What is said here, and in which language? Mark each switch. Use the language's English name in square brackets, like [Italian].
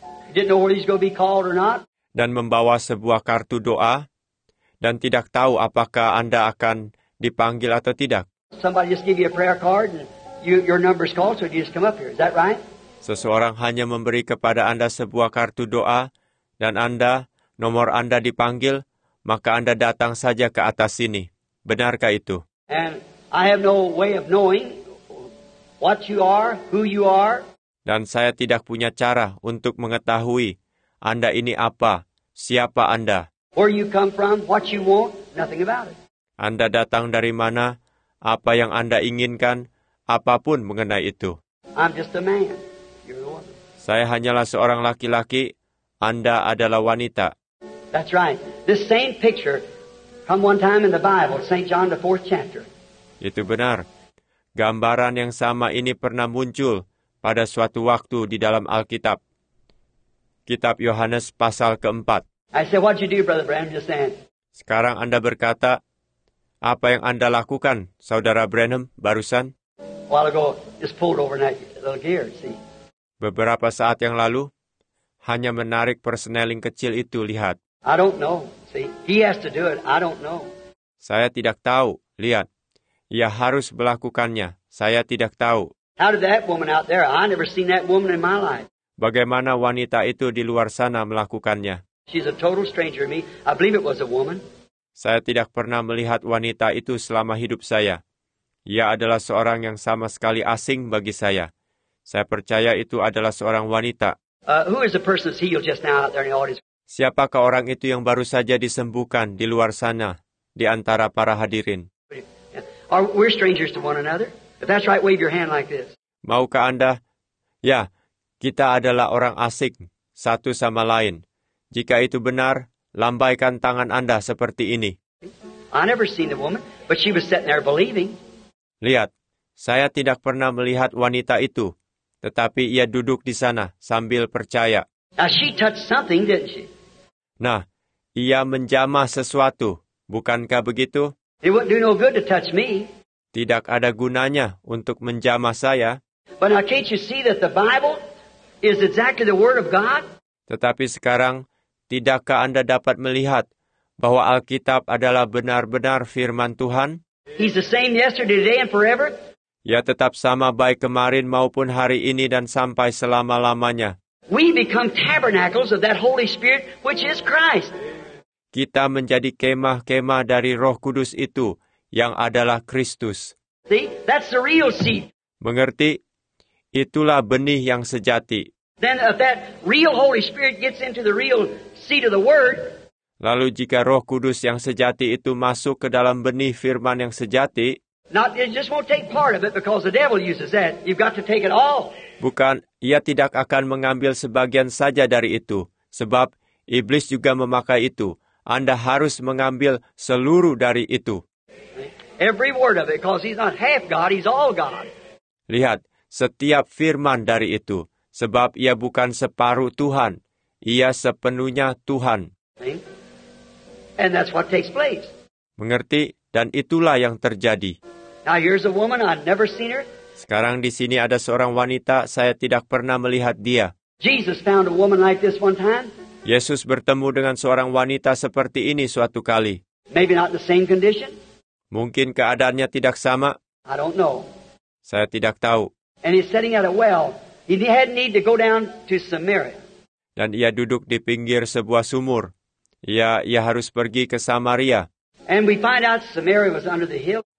[English] Didn't know whether he's going to be called or not. [Indonesian] Dan membawa sebuah kartu doa dan tidak tahu apakah Anda akan dipanggil atau tidak. [English] Somebody just give you a prayer card and your number's called, so you just come up here. Is that right? [Indonesian] Seseorang hanya memberi kepada Anda sebuah kartu doa dan Anda, nomor Anda dipanggil, maka Anda datang saja ke atas sini. Benarkah itu? [English] And I have no way of knowing what you are, who you are. [Indonesian] Dan saya tidak punya cara untuk mengetahui Anda ini apa, siapa Anda. [English] Where you come from, what you want, nothing about it. [Indonesian] Anda datang dari mana, apa yang Anda inginkan, apapun mengenai itu. [English] I'm just a man. You're a woman. [Indonesian] Saya hanyalah seorang laki-laki, Anda adalah wanita. [English] That's right. This same picture from one time in the Bible, St. John the 4th chapter. [Indonesian] Itu benar. Gambaran yang sama ini pernah muncul pada suatu waktu di dalam Alkitab. Kitab Yohanes pasal ke-4. [English] I said, what'd you do, Brother Branham? Just saying. [Indonesian] Sekarang Anda berkata, apa yang Anda lakukan, Saudara Branham, barusan? [English] A while ago, just pulled over that little gear, see. [Indonesian] Beberapa saat yang lalu, hanya menarik perseneling kecil itu, lihat. [English] I don't know, see. He has to do it, I don't know. [Indonesian] Saya tidak tahu, lihat. Ia harus melakukannya, saya tidak tahu. [English] How did that woman out there, I never seen that woman in my life. [Indonesian] Bagaimana wanita itu di luar sana melakukannya? [English] She's a total stranger to me. I believe it was a woman. [Indonesian] Saya tidak pernah melihat wanita itu selama hidup saya. Ia adalah seorang yang sama sekali asing bagi saya. Saya percaya itu adalah seorang wanita. [English] Who is the person that's healed just now out there in the audience? [Indonesian] Siapakah orang itu yang baru saja disembuhkan di luar sana, di antara para hadirin? [English] We're strangers to one another. If that's right, wave your hand like this. [Indonesian] Maukah Anda? Ya, kita adalah orang asing, satu sama lain. Jika itu benar, lambaikan tangan Anda seperti ini. [English] I never seen the woman, but she was sitting there believing. [Indonesian] Lihat, saya tidak pernah melihat wanita itu, tetapi ia duduk di sana sambil percaya. [English] Now she touched something, didn't she? [Indonesian] Nah, ia menjamah sesuatu, bukankah begitu? [English] It wouldn't do no good to touch me. [Indonesian] Tidak ada gunanya untuk menjamah saya. [English] But now can't you see that the Bible is exactly the word of God? [Indonesian] Tetapi sekarang, tidakkah Anda dapat melihat bahwa Alkitab adalah benar-benar firman Tuhan? [English] He's the same yesterday, today, and forever. [Indonesian] Ya, tetap sama baik kemarin maupun hari ini dan sampai selama-lamanya. [English] We become tabernacles of that Holy Spirit, which is Christ. [Indonesian] Kita menjadi kemah-kemah dari Roh Kudus itu, yang adalah Kristus. [English] See, that's the real seed. [Indonesian] Mengerti? Itulah benih yang sejati. [English] Then if that real Holy Spirit gets into the real seed of the Word. [Indonesian] Lalu jika Roh Kudus yang sejati itu masuk ke dalam benih firman yang sejati. [English] Not, it just won't take part of it because the devil uses that. You've got to take it all. [Indonesian] Bukan, ia tidak akan mengambil sebagian saja dari itu. Sebab iblis juga memakai itu. Anda harus mengambil seluruh dari itu. [English] Every word of it, because he's not half God, he's all God. [Indonesian] Lihat, setiap firman dari itu. Sebab ia bukan separuh Tuhan, ia sepenuhnya Tuhan. [English] And that's what takes place. [Indonesian] Mengerti? Dan itulah yang terjadi. [English] Now here's a woman I've never seen her. [Indonesian] Sekarang di sini ada seorang wanita saya tidak pernah melihat dia. [English] Jesus found a woman like this one time. [Indonesian] Yesus bertemu dengan seorang wanita seperti ini suatu kali. [English] Maybe not the same condition. [Indonesian] Mungkin keadaannya tidak sama. [English] I don't know. [Indonesian] Saya tidak tahu. [English] And he's sitting at a well. He had need to go down to Samaria. [Indonesian] Dan ia duduk di pinggir sebuah sumur. Ia harus pergi ke Samaria. [English] And we find out Samaria was under the hill.